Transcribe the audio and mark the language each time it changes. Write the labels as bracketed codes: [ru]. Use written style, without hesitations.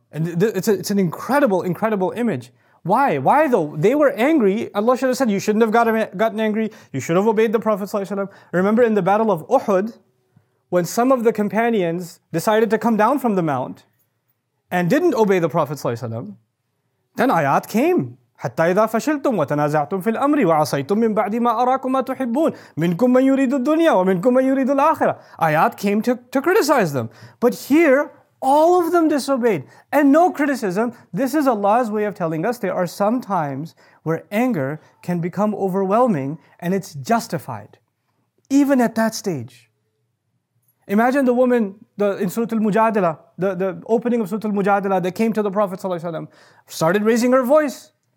[en] And it's an incredible, incredible image. Why? Why though? They were angry. Allah should have said, you shouldn't have gotten angry. You should have obeyed the Prophet ﷺ. Remember in the battle of Uhud, when some of the companions decided to come down from the mount and didn't obey the Prophet ﷺ, then ayat came. [ar] حتى إذا فشلتم وتنازعتم في الأمر وعصيتم من بعد ما أراكم ما تحبون منكم من يريد الدنيا ومنكم من يريد الآخرة. [en] Ayat came to criticize them. But here, all of them disobeyed. And no criticism. This is Allah's way of telling us there are some times where anger can become overwhelming and it's justified. Even at that stage. Imagine the woman in Surah Al-Mujadila, the opening of Surah Al-Mujadila that came to the Prophet ﷺ, started raising her voice.